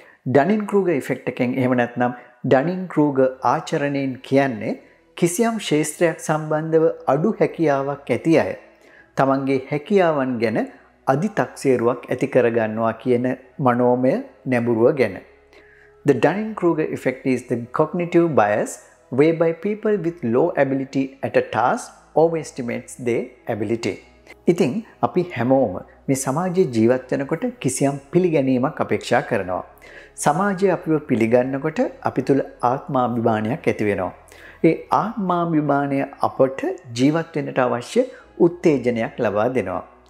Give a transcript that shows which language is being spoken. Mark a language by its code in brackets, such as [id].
[si] ඩනින් ක්‍රූග effect එකෙන් එහෙම නැත්නම් ඩනින් ක්‍රූග ආචරණයෙන් කියන්නේ කිසියම් ශාස්ත්‍රයක් සම්බන්ධව අඩු හැකියාවක් ඇති අය තමන්ගේ හැකියාවන් ගැන අධිතක්සේරුවක් ඇති කරගන්නවා කියන මනෝමය නැඹුරුව ගැන. [en] The Dunning-Kruger effect is the cognitive bias whereby people with low ability at a task overestimates their ability. [si] ඉතින් අපි හැමෝම මේ සමාජයේ ජීවත් වෙනකොට කිසියම් පිළිගැනීමක් අපේක්ෂා කරනවා. සමාජයේ අපිව පිළිගන්නකොට අපි තුල ආත්මාභිමානයක් ඇති වෙනවා. ඒ ආත්මාභිමානය අපට ජීවත් වෙන්නට අවශ්‍ය උත්තේජනයක් ලබා දෙනවා.